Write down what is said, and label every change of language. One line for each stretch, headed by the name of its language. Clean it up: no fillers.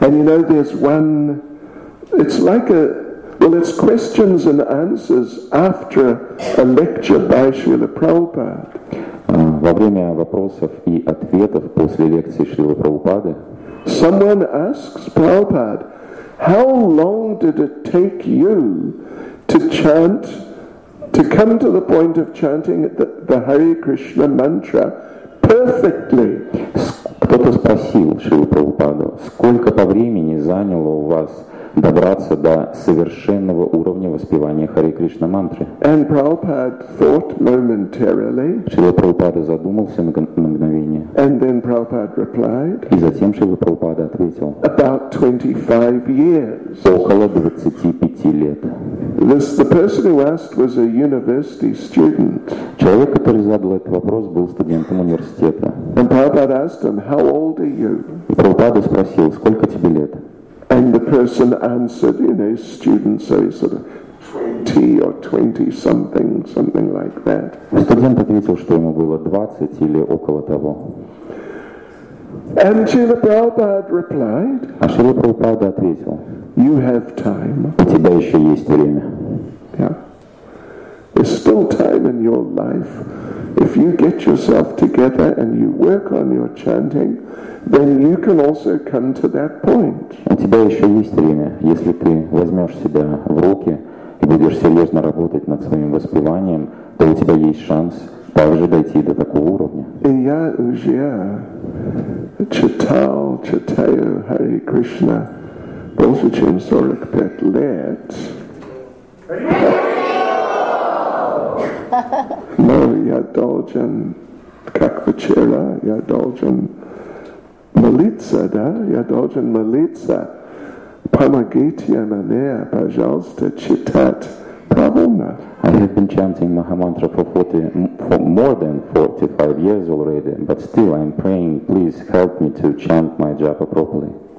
English: And you know, there's one, it's like a, well, it's questions and answers after a lecture by Srila Prabhupada.
Russian: Во время вопросов и ответов после лекции Шрилы Прабхупады.
English: Someone asks Prabhupada, how long did it take you to chant, to come to the point of chanting the Hare Krishna mantra perfectly?
Russian: Кто-то спросил Шрилу Прабхупаду, сколько по времени заняло у вас добраться до совершенного уровня воспевания Харе Кришна мантры.
English: And Prabhupada thought momentarily.
Russian: Шрила Прабхупада задумался на мгновение.
English: And then Prabhupada replied.
Russian: И затем Шрила Прабхупада ответил.
English: About 25 years.
Russian: Около 25 лет.
English: This, the person who asked was a university student.
Russian: Человек, который задал этот вопрос, был студентом университета.
English: And Prabhupada asked him, how old are you?
Russian: И Прабхупада спросил, сколько тебе лет?
English: And the person answered, you know, student, so he's sort of 20 or 20 something like that.
Russian: Студент ответил, что ему было 20 или около того.
English: And Srila Prabhupada replied,
Russian: А Шрила Прабхупада ответил,
English: You have time.
Russian: У тебя еще есть время.
English: Yeah. There's still time in your life. If you get yourself together and you work on your chanting, then you can also come to that point.
Russian: У тебя еще есть время, если ты возьмешь себя в руки и будешь серьезно работать над своим воспеванием, то у тебя есть шанс также дойти до такого уровня. И я уже читал, читаю Харе Кришна больше чем 45 лет. Но я должен, как вчера, я должен молиться, да? Я должен молиться. Помогите мне, пожалуйста, читать Прабхупада.
English: I have been chanting Mahamantra for more than 45 years already, but still I'm praying, please help me to chant my japa properly.